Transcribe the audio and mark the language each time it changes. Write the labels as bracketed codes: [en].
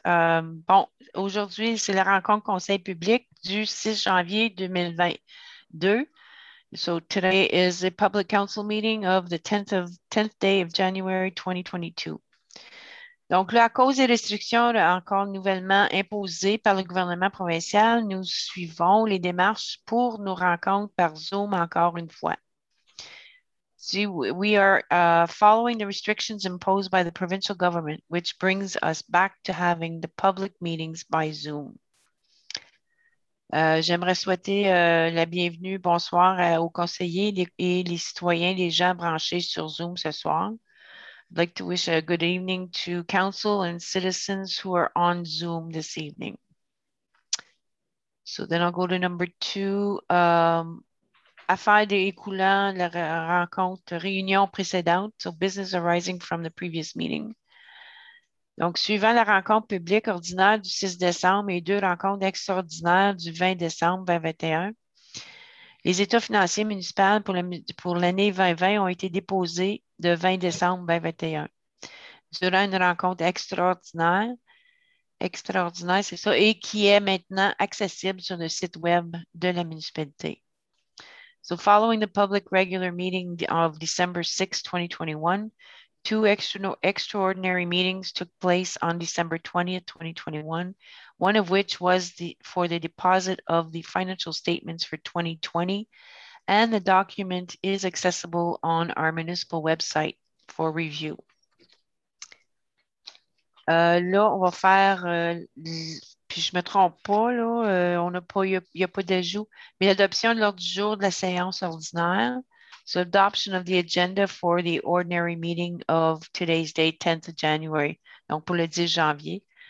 [fr] Bon, aujourd'hui, c'est la rencontre conseil public du 6 janvier 2022. [en] So today is the public council meeting of the 10th day of January 2022. [fr] Donc, là, à cause des restrictions encore nouvellement imposées par le gouvernement provincial, nous suivons les démarches pour nos rencontres par Zoom encore une fois. [en] See, we are following the restrictions imposed by the provincial government, which brings us back to having the public meetings by Zoom. [fr] J'aimerais souhaiter la bienvenue, bonsoir aux conseillers et les citoyens, les gens branchés sur Zoom ce soir. [en] I'd like to wish a good evening to council and citizens who are on Zoom this evening. So then I'll go to number two. [fr] Affaires découlant la rencontre, réunion précédente, [en] so business arising from the previous meeting. [fr] Donc, suivant la rencontre publique ordinaire du 6 décembre et deux rencontres extraordinaires du 20 décembre 2021, les états financiers municipaux pour l'année 2020 ont été déposés le 20 décembre 2021. Durant une rencontre extraordinaire, c'est ça, et qui est maintenant accessible sur le site web de la municipalité. [en] So following the public regular meeting of December 6, 2021, two extraordinary meetings took place on December 20, 2021, one of which was for the deposit of the financial statements for 2020, and the document is accessible on our municipal website for review. [fr] Là, on va faire, puis je ne me trompe pas, là, on n'a pas, il n'y a pas d'ajout, mais l'adoption de l'ordre du jour de la séance ordinaire. [en] So, adoption of the agenda for the ordinary meeting of today's day, 10th of January, [fr] donc pour le 10 janvier.